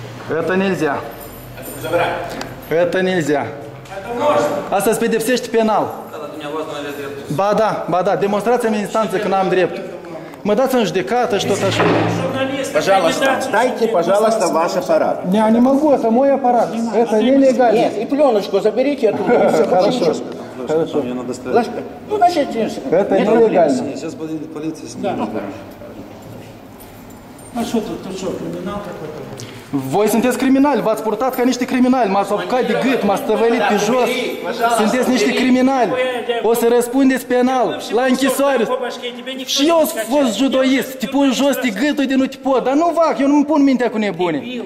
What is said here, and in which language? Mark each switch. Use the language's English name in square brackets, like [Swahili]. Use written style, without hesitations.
[Russian] Это нельзя. Это нельзя. [Romanian] Asta îți pedepsește penal. Ba da, ba da, demonstrați-mi în instanță că n-am drept. Mă dați în judecată și tot așa. [Russian] Пожалуйста, дайте, пожалуйста, ваш аппарат. Не, не могу, это мой аппарат. Это нелегально. Нет, и пленочку заберите, я тут все хорошо. Хорошо. Ну, значит, это нелегально. Сейчас будет полиция снимать. А что тут, тут что, криминал какой-то? [Romanian] Voi sunteți criminali, v-ați purtat ca niște criminali, m-ați apucat de gât, m-ați stăvălit pe jos, sunteți niște criminali, o să răspundeți penal, la închisoare. Și eu am fost judoist, te pun jos de gât, uite, nu te pot, dar nu fac, eu nu-mi pun mintea cu nebune.